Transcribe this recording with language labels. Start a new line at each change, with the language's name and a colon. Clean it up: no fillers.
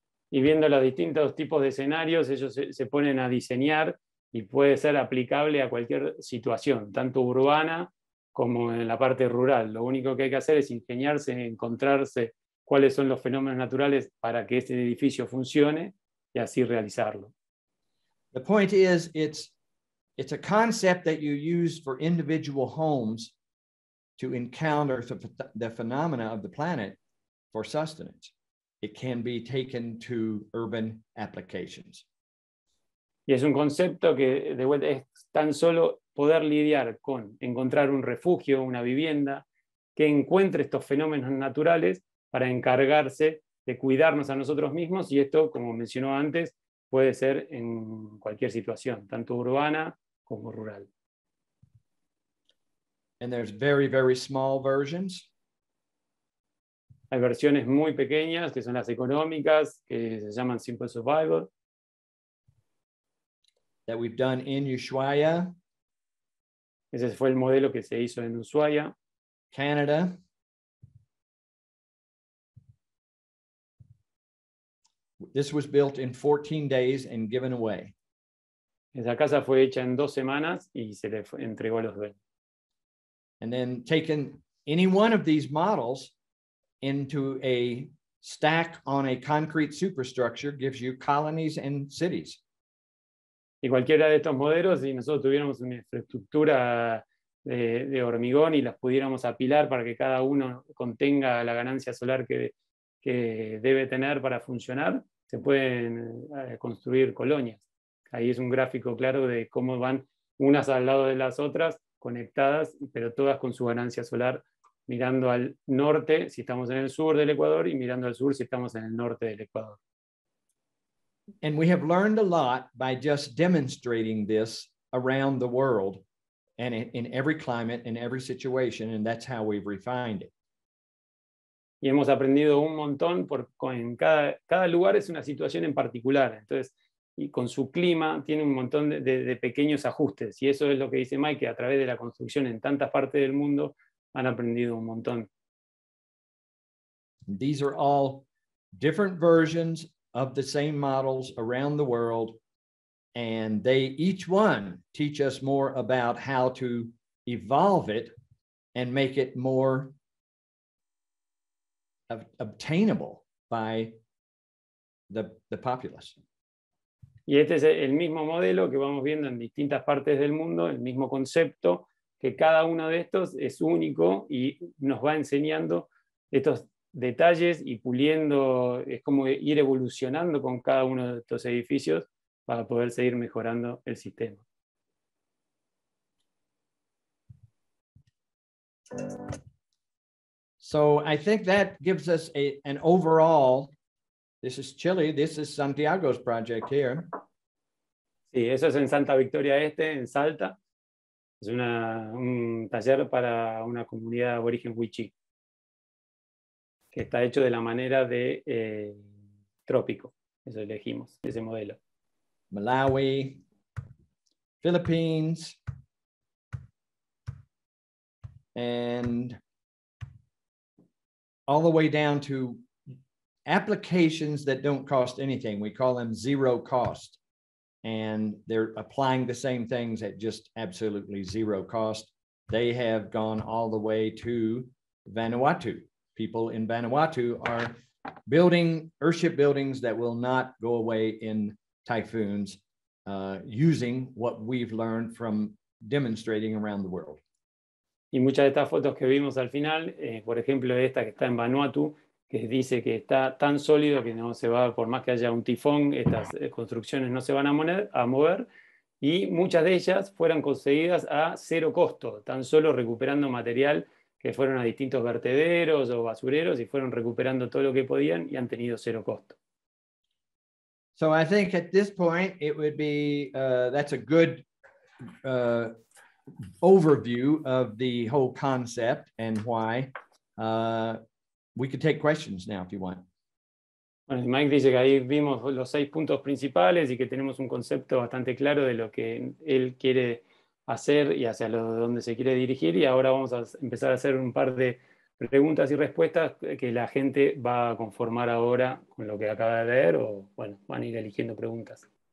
Spanish: Y viendo los distintos tipos de escenarios, ellos se ponen a diseñar y puede ser aplicable a cualquier situación, tanto urbana como en la parte rural. Lo único que hay que hacer es ingeniarse, encontrarse cuáles son los fenómenos naturales para que este edificio funcione y así realizarlo.
English: The point is, it's a concept that you use for individual homes to encounter the phenomena of the planet for sustenance. It can be taken to urban applications.
Spanish: Y es un concepto que de vuelta es tan solo poder lidiar con encontrar un refugio, una vivienda, que encuentre estos fenómenos naturales para encargarse de cuidarnos a nosotros mismos, y esto, como mencionó antes, puede ser en cualquier situación, tanto urbana como rural.
English: And there's very, very small versions.
Spanish: Hay versiones muy pequeñas, que son las económicas, que se llaman Simple Survival.
English: That we've done in Ushuaia.
Spanish: Ese fue el modelo que se hizo en Ushuaia.
English: Canada. This was built in 14 days and given away.
Spanish: Esa casa fue hecha en 2 semanas y se le entregó a los dueños.
English: And then taken any one of these models into a stack on a concrete superstructure gives you colonies and cities.
Spanish: Y cualquiera de estos modelos, si nosotros tuviéramos una estructura de hormigón y las pudiéramos apilar para que cada uno contenga la ganancia solar que debe tener para funcionar, se pueden construir colonias. Ahí es un gráfico claro de cómo van unas al lado de las otras, conectadas, pero todas con su ganancia solar, mirando al norte si estamos en el sur del Ecuador y mirando al sur si estamos en el norte del Ecuador.
English: And we have learned a lot by just demonstrating this around the world and in every climate, in every situation, and that's how we've refined it.
Spanish: Y hemos aprendido un montón porque en cada lugar es una situación en particular. Entonces, y con su clima tiene un montón de pequeños ajustes. Y eso es lo que dice Mike, que a través de la construcción en tantas partes del mundo han aprendido un montón.
English: These are all different versions of the same models around the world. And they each one teach us more about how to evolve it and make it more obtainable by the populace.
Spanish: Y este es el mismo modelo que vamos viendo en distintas partes del mundo, el mismo concepto, que cada uno de estos es único y nos va enseñando estos detalles y puliendo, es como ir evolucionando con cada uno de estos edificios para poder seguir mejorando el sistema.
English: So I think that gives us an overall. This is Chile. This is Santiago's project here.
Spanish: Sí, eso es en Santa Victoria Este, en Salta. Es un taller para una comunidad de origen wichí, que está hecho de la manera de trópico. Eso elegimos, ese modelo.
English: Malawi, Philippines, and all the way down to applications that don't cost anything. We call them zero cost. And they're applying the same things at just absolutely zero cost. They have gone all the way to Vanuatu. People in Vanuatu are building Earthship buildings that will not go away in typhoons using what we've learned from demonstrating around the world.
Spanish: Y muchas de estas fotos que vimos al final, por ejemplo, esta que está en Vanuatu, que dice que está tan sólido que no se va, por más que haya un tifón, estas construcciones no se van a mover, y muchas de ellas fueron conseguidas a cero costo, tan solo recuperando material que fueron a distintos vertederos o basureros y fueron recuperando todo lo que podían y han tenido cero costo.
English: So I think at this point it would be that's a good overview of the whole concept and why. We could take questions now if you want.
Spanish: Bueno, Mike dice que ahí vimos los 6 puntos principales y que tenemos un concepto bastante claro de lo que él quiere hacer y hacia dónde se quiere dirigir. Y ahora vamos a empezar a hacer un par de preguntas y respuestas que la gente va a conformar ahora con lo que acaba de ver o, bueno, van a ir eligiendo preguntas.